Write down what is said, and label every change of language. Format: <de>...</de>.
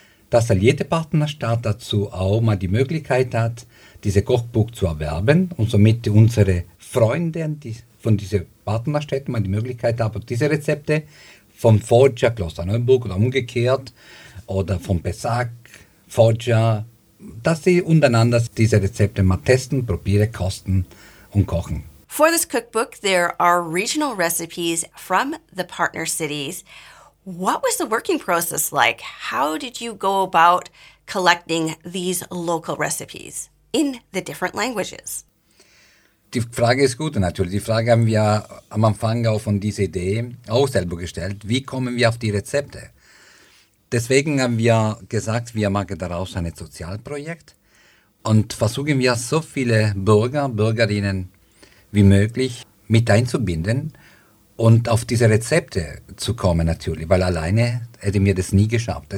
<de>dass jede Partnerstadt dazu auch mal die Möglichkeit hat, diese Kochbuch zu erwerben und somit unsere Freunde von dieser Partnerstätte mal die Möglichkeit haben, diese Rezepte vom Foggia Klosterneuburg oder umgekehrt oder vom Besag Foggia, dass sie untereinander diese Rezepte mal testen, probieren, kosten und kochen.</de> <en>For this cookbook, there are regional recipes from the partner cities. What was the working process like? How did you go about collecting these local recipes in the different languages?</en> <de>Die Frage ist gut natürlich. Die Frage haben wir am Anfang auch von dieser Idee auch selber gestellt. Wie kommen wir auf die Rezepte? Deswegen haben wir gesagt, wir machen daraus ein Sozialprojekt und versuchen wir so viele Bürger, Bürgerinnen wie möglich mit einzubinden und auf diese Rezepte zu kommen natürlich, weil alleine hätte mir das nie geschafft.</de>